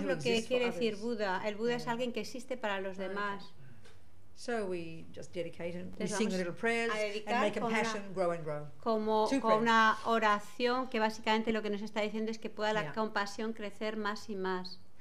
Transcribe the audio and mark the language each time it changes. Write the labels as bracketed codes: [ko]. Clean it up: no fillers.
[es] eso es lo que quiere decir Buda. El Buda yeah. es alguien que existe para los demás. [en] So we just dedicate and we sing a little prayers and make compassion grow and grow. [es] Como [en] two [es] con Una oración que básicamente lo que nos está diciendo es que pueda la compasión crecer más y más.